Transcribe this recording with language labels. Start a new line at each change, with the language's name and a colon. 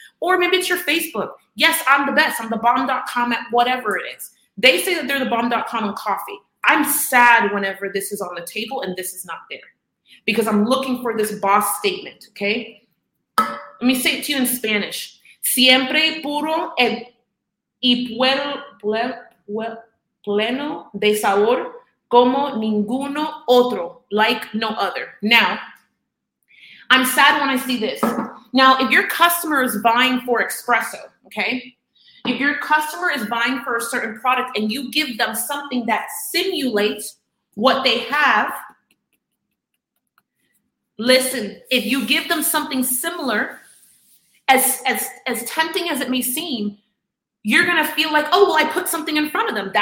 English: Or maybe it's your Facebook. Yes, I'm the best. I'm the bomb.com at whatever it is. They say that they're the bomb.com on coffee. I'm sad whenever this is on the table and this is not there because I'm looking for this boss statement, okay? Let me say it to you in Spanish.
Spanish: Siempre puro y pleno de sabor como ninguno otro,
English: like no other. Now, I'm sad when I see this. Now, if your customer is buying for espresso, okay? If your customer is buying for a certain product and you give them something that simulates what they have, listen, if you give them something similar, as tempting as it may seem, you're gonna feel like, oh, well, I put something in front of them.